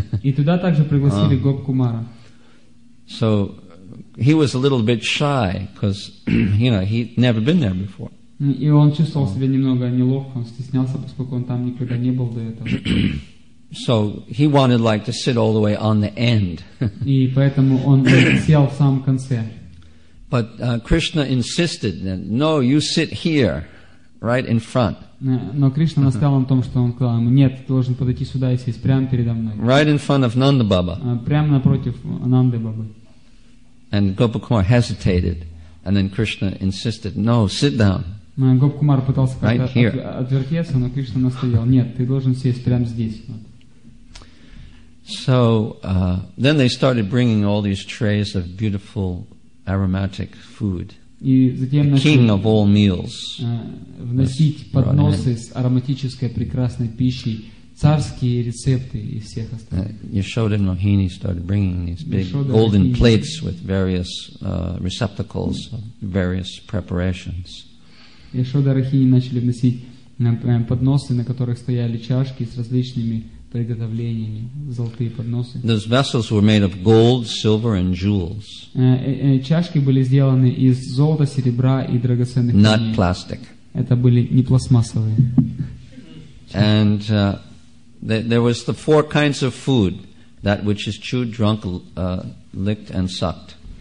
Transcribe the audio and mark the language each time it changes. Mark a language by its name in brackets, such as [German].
[Russian] И туда также пригласили Гоп Кумара. [English] So, he was a little bit shy because, you know, he'd never been there before. [Russian] И он чувствовал себя немного неловко, он стеснялся, поскольку он там никогда не был до этого. [English] So he wanted like to sit all the way on the end. [Russian] И поэтому он сел в самом конце. [English] But Krishna insisted that no, you sit here, right in front. [Russian] Но Кришна настоял на том, что он сказал ему: нет, ты должен подойти сюда и сесть прямо передо мной. [English] Right in front of Nanda Baba. [Russian] Прямо напротив Нанды Бабы. [English] And Gopa Kumar hesitated, and then Krishna insisted, no, sit down. [Russian] Гоп Кумар пытался как-то отвертеться, но Кришна настоял: нет, ты должен сесть прямо здесь. [English] So, then they started bringing all these trays of beautiful, aromatic food. [Russian] И затем [English] the king of all meals. [Russian] Вносить подносы с ароматической прекрасной пищей, царские рецепты и всех остальных. [English] Yashoda Mohini started bringing these big golden plates with various receptacles of various preparations. [Russian] Яшода и Рахини начали вносить подносы, на которых стояли чашки с различными приготовлениями, золотые подносы. [English] Those vessels were made of gold, silver, and jewels. [Russian] Чашки были сделаны из золота, серебра и драгоценных камней. [English] Not plastic. [Russian] Это были не пластмассовые. [English] And there was the four kinds of food, that which is chewed, drunk, licked, and sucked.